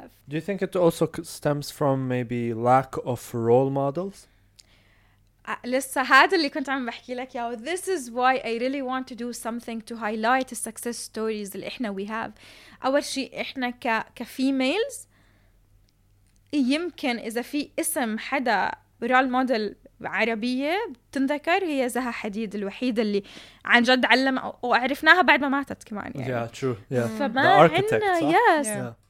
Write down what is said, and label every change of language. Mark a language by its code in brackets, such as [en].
[en] Do you think it also stems from maybe lack of role models? [ar] لسه هذا اللي كنت عم بحكي لك ياه. [en] This is why I really want to do something to highlight the success stories [ar] اللي احنا [en] we have. [ar] اول شيء احنا كفيميلز يمكن اذا في اسم حدا رول موديل عربية بتنذكر هي زها حديد الوحيدة اللي عن جد علم وعرفناها بعد ما ماتت كمان يعني. [en] Yeah, true. Yeah. [ar] فما عنا yes. Yeah.